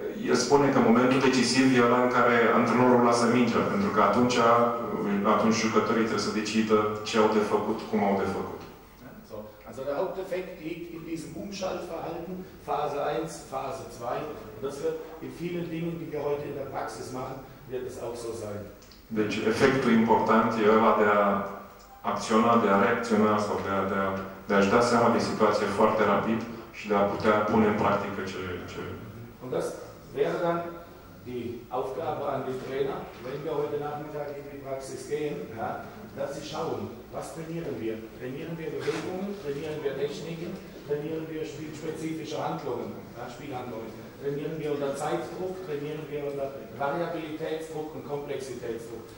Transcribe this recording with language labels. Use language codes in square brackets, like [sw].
[ro] El spune că momentul decisiv e ăla în care antrenorul lasă mingea, pentru că atunci jucătorii trebuie să decidă ce au de făcut, cum au de făcut. [de] So, also der Haupteffekt liegt in diesem Umschaltverhalten, Phase 1, Phase 2. Und das wird in vielen Dingen, die wir heute in der Praxis machen, wird es auch so sein. [ro] Deci efectul important e ăla de a acționa, de a reacționa sau de a-și da seama de situație foarte rapid și de a putea pune în practică ce. [de] Und das wäre dann die Aufgabe an den Trainer, wenn wir heute Nachmittag in die Praxis gehen, ja, dass sie schauen, was trainieren wir? Trainieren wir Bewegungen, trainieren wir Techniken, trainieren wir spielspezifische Handlungen, ja, Spielhandlungen, trainieren wir unter Zeitdruck, trainieren wir unter Variabilitätsdruck und Komplexitätsdruck.